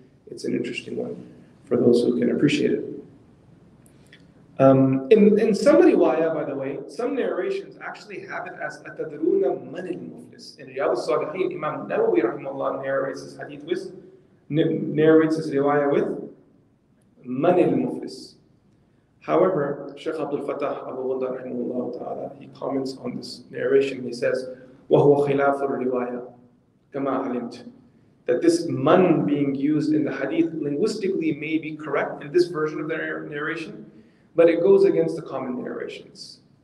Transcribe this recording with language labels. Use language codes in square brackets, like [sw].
[en] It's an interesting one for those who can appreciate it. In some riwayah, by the way, some narrations actually have it as [ar] أَتَدْرُونَ مَنِ الْمُفْلِسِ. [en] In Riyadh al-Salihin, Imam Nawawi rahimahullah narrates this hadith with, narrates this riwayah with [ar] مَنِ الْمُفْلِسِ. [en] However, Shaykh Abdul Fattah Abu Ghundar rahimahullah ta'ala, he comments on this narration. He says, [ar] وَهُوَ خِلَافُ الْرِوَايَةِ كَمَا عَلِمْتِ. [en] That this man being used in the hadith linguistically may be correct in this version of the narration, but it goes against the common narrations.